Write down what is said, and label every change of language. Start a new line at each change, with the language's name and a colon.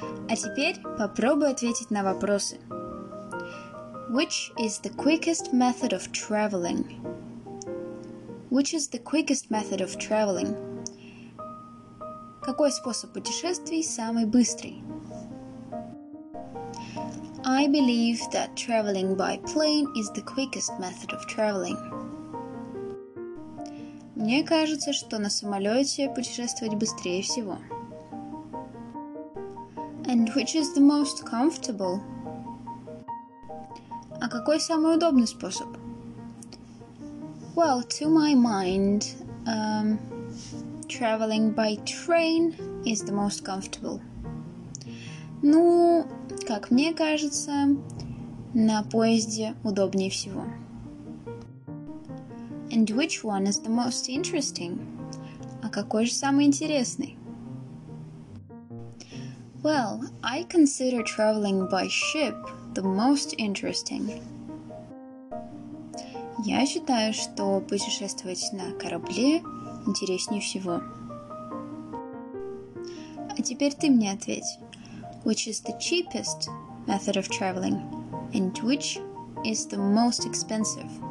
Russian: А теперь попробуй ответить на вопросы.
English: Which is the quickest method of traveling? Which is the quickest method of traveling?
Russian: Какой способ путешествий самый быстрый?
English: I believe that traveling by plane is the quickest method of traveling.
Russian: Мне кажется, что на самолете путешествовать быстрее всего.
English: And which is the most comfortable?
Russian: А какой самый удобный способ?
English: Well, to my mind, traveling by train is the most comfortable.
Russian: Ну, как мне кажется, на поезде удобнее всего.
English: And which one is the most interesting?
Russian: А какой же самый интересный?
English: Well, I consider traveling by ship the most interesting.
Russian: Я считаю, что путешествовать на корабле интереснее всего. А теперь ты мне ответь.
English: Which is the cheapest method of traveling? And which is the most expensive?